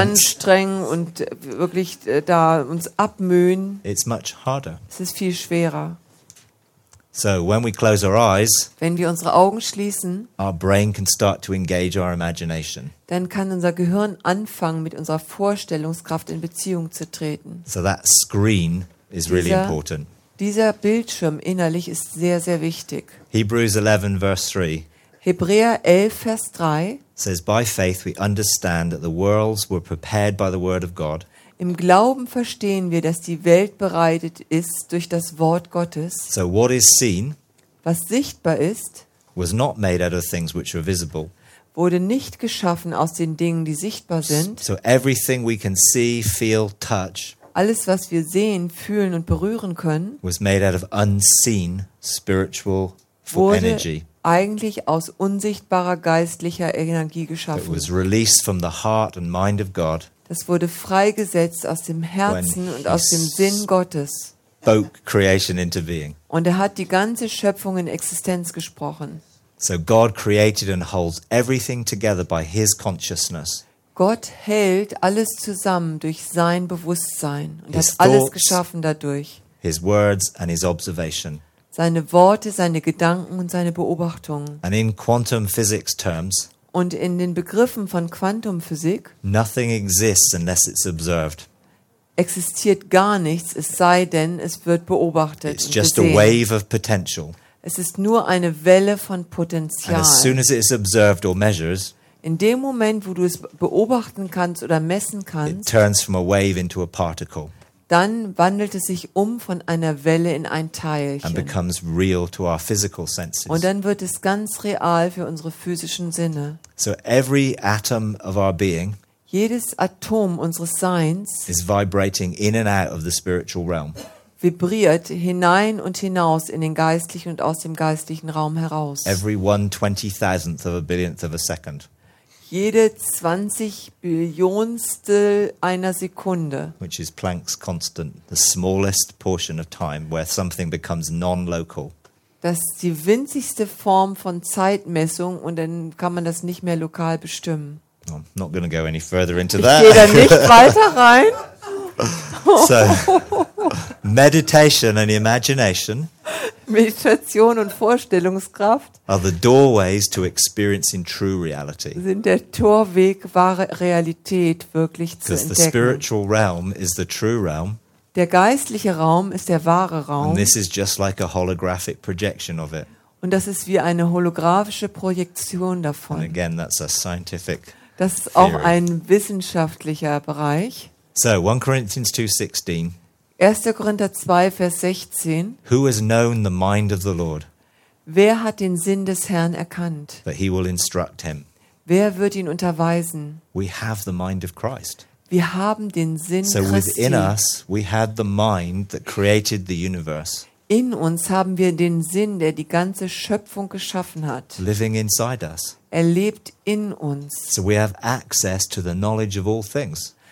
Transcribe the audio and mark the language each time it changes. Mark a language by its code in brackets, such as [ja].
[de] anstrengen und wirklich da uns abmühen, [en] it's much harder. [de] Es ist viel schwerer. [en] So when we close our eyes, [de] wenn wir unsere Augen schließen, [en] our brain can start to engage our imagination. [de] Dann kann unser Gehirn anfangen, mit unserer Vorstellungskraft in Beziehung zu treten. [en] So that screen is really important. [de] Dieser Bildschirm innerlich ist sehr, sehr wichtig. [en] Hebrews 11, verse 3. [de] Hebräer 11, Vers 3 [en] says, by faith we understand that the worlds were prepared by the word of God. [de] Im Glauben verstehen wir, dass die Welt bereitet ist durch das Wort Gottes. [en] So what is seen, [de] was sichtbar ist, [en] was not made out of things which are visible. [de] Wurde nicht geschaffen aus den Dingen, die sichtbar sind. [en] So everything we can see, feel, touch, [de] alles, was wir sehen, fühlen und berühren können, [en] was made out of unseen spiritual energy. [de] Wurde eigentlich aus unsichtbarer geistlicher Energie geschaffen. [en] It was released from the heart and mind of God. [de] Das wurde freigesetzt aus dem Herzen und aus dem Sinn Gottes. [en] Spoke creation into being. [de] Und er hat die ganze Schöpfung in Existenz gesprochen. [en] So God created and holds everything together by his consciousness. [de] Gott hält alles zusammen durch sein Bewusstsein und hat alles geschaffen dadurch. [en] His words and his observation. [de] Seine Worte, seine Gedanken und seine Beobachtungen. [en] And in quantum physics terms. [de] Und in den Begriffen von Quantumphysik. [en] Nothing exists unless it's observed. [de] Existiert gar nichts, es sei denn, es wird beobachtet. [en] It's just a wave of potential. [de] Es ist nur eine Welle von Potenzial. [en] And as soon as it is observed or measures, [de] in dem Moment, wo du es beobachten kannst oder messen kannst, [en] it turns from a wave into a particle. [de] Dann wandelt es sich um von einer Welle in ein Teilchen. [en] And becomes real to our physical senses. [de] Und dann wird es ganz real für unsere physischen Sinne. [en] So every atom of our being, [de] jedes Atom unseres Seins, [en] is vibrating in and out of the spiritual realm. [de] Vibriert hinein und hinaus in den geistlichen und aus dem geistlichen Raum heraus. [en] Every 1/20,000th of a billionth of a second. [de] Jede 20 Billionstel einer Sekunde. [en] Which is Planck's constant, the smallest portion of time where something becomes non-local. [de] Das ist die winzigste Form von Zeitmessung und dann kann man das nicht mehr lokal bestimmen. [en] I'm not going to go any further into that. [de] Ich gehe da nicht weiter rein. [en] So, meditation and imagination, [de] Meditation und Vorstellungskraft, [en] are the doorways to experiencing true reality. [de] Sind der Torweg, wahre Realität wirklich zu entdecken. [en] The spiritual realm is the true realm. [de] Der geistliche Raum ist der wahre Raum. [en] And this is just like a holographic projection of it. [de] Und das ist wie eine holographische Projektion davon. [en] And again, that's a scientific. [de] Das ist auch ein wissenschaftlicher Bereich. [en] So 1 Corinthians 2:16. [de] 1. Korinther 2 Vers 16. [en] Who has known the mind of the Lord? [de] Wer hat den Sinn des Herrn erkannt? [en] That he will instruct him. [de] Wer wird ihn unterweisen? [en] We have the mind of Christ. [de] Wir haben den Sinn Christi. [en] So within us we have the mind that created the universe. [de] In uns haben wir den Sinn, der die ganze Schöpfung geschaffen hat. [en] Living inside us. [de] Er lebt in uns. [en] So we have access to the knowledge of all things.